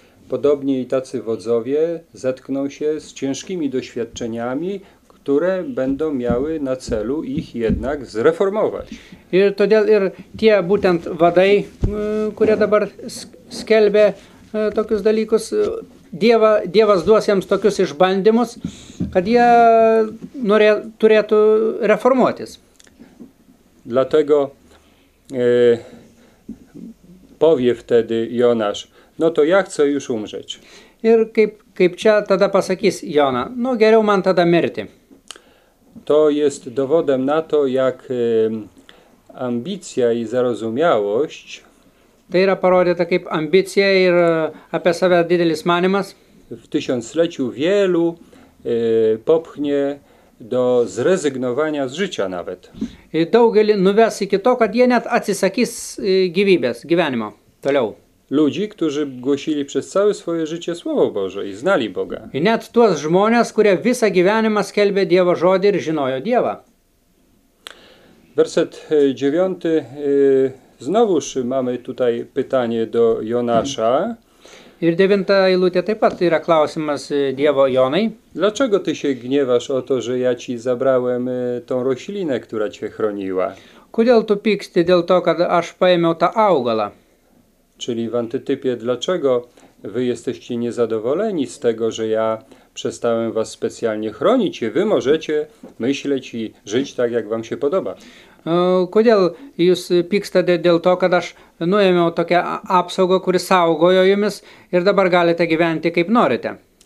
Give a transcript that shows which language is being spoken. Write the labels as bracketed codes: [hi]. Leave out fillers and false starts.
[pl] Podobnie i tacy wodzowie zetkną się z ciężkimi doświadczeniami, które będą miały na celu ich jednak zreformować. [lt] Ir todėl ir tie būtent vadai, kurie dabar skelbė tokius dalykus, Dievas duos jiems tokius išbandymus, kad jie turėtų reformuotis. [pl] Dlatego powie wtedy Jonasz, no to ja chcę już umrzeć. [lt] Ir kaip čia tada pasakys Jona, no geriau man tada mirti. [pl] To jest dowodem na to, jak ambicja i zarozumiałość. [lt] Tai yra parodyta kaip ambicija ir apie save didelis manimas. [pl] W tysiącleciu wielu popchnie do zrezygnowania z życia nawet. [lt] Daugelį nuves iki to, kad jie net atsisakys gyvybės, gyvenimo. Toliau. [pl] Ludzi, którzy głosili przez całe swoje życie Słowo Boże i znali Boga. [lt] I net tuos žmonės, kurie visą gyvenimą skelbė Dievo žodį ir žinojo Dievą. [pl] Werset 9. Znowuż mamy tutaj pytanie do Jonasza. [lt] Ir devinta eilutė taip pat yra klausimas Dievo Jonai. [pl] Dlaczego ty się gniewasz o to, że ja ci zabrałem tą roślinę, która cię chroniła? [lt] Kodėl tu pyksti dėl to, kad aš paėmiau tą augalą? [pl] Czyli w antytypie, dlaczego wy jesteście niezadowoleni z tego, że ja przestałem was specjalnie chronić i wy możecie myśleć i żyć tak, jak wam się podoba? [lt] Kodėl jūs pykstate dėl to, kad aš nuėmiau tokią apsaugą, kuri saugojo jumis ir dabar galite gyventi kaip norite?